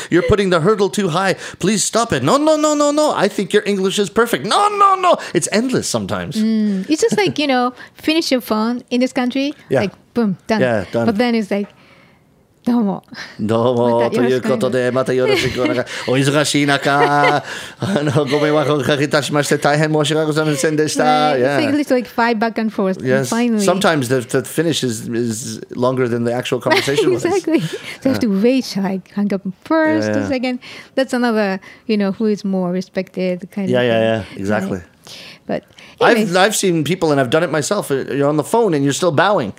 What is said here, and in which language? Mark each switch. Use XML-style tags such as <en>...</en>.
<en>You're putting the hurdle too high. Please stop it. No, I think your English is perfect. No. It's endless sometimes. It's just like, you know, finish your phone in this country, like, boom, done. Yeah, done. But then it's like,</en> <ja>どうも。ということで、またよろしくお願い。お忙しい中、ご迷惑をかけたしまして、大変申し訳ございませんでした。</ja> <en>Right. Yeah. It's like five back and forth. Yes. And finally. Sometimes the finish is longer than the actual conversation exactly. was. Exactly. So you have to wait, should I hang up first, a second? That's another, you know, who is more respected kind of thing. Yeah, exactly. Right. But I've seen people, and I've done it myself. You're on the phone and you're still bowing.</en>